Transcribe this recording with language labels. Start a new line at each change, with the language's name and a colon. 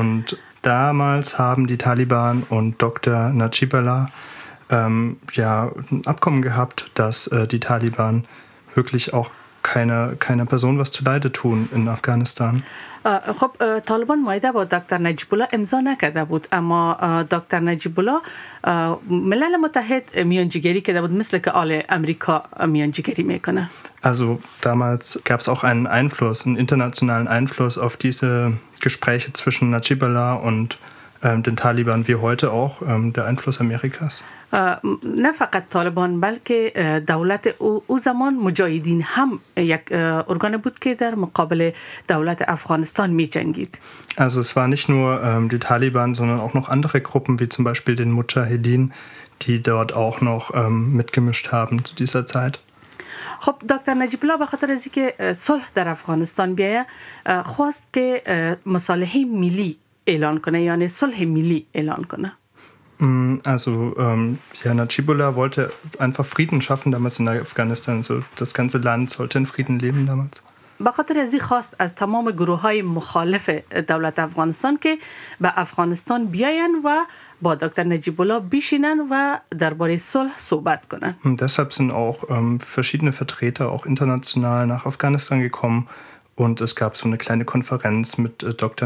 German: Und damals haben die Taliban und Dr. Najib Allah ja, ein Abkommen gehabt, dass die Taliban wirklich auch keine Person was zuleide tun in Afghanistan.
Persian: خب طالبان معاهده با دکتر نجیب الله امضا نکرده بود، اما دکتر نجیب الله ملل متحد میانجیگری کرده بود، مثل که آل امریکا میانجیگری میکنه.
German: Also damals gab es auch einen Einfluss, einen internationalen Einfluss auf diese Gespräche zwischen Najib Allah und den Taliban wie heute auch, der Einfluss Amerikas.
Persian: نه فقط طالبان، بلکه دولت او زمان مجاهدین هم یک ارگان بود که در مقابل دولت افغانستان می جنگید.
German: Also es war nicht nur die Taliban, sondern auch noch andere Gruppen, wie zum Beispiel den Mujahedin, die dort auch noch mitgemischt haben zu dieser Zeit.
Persian: خب دکتر نجیب الله به خاطر از اینکه صلح در افغانستان بیاید، خواست که مصالحه ملی اعلان کنه، یعنی صلح ملی اعلان کنه.
German: Also ja, Najib Allah wollte einfach Frieden schaffen damals in Afghanistan. So, das ganze Land sollte in Frieden leben damals.
Persian: بخاطر از این خواست از تمام گروه‌های مخالف دولت افغانستان که به افغانستان بیاین و با دکتر نجیب الله بشینن و درباره صلح صحبت کنن.
German: Deshalb sind auch verschiedene Vertreter auch international nach Afghanistan gekommen. Und es gab so eine kleine Konferenz mit Dr.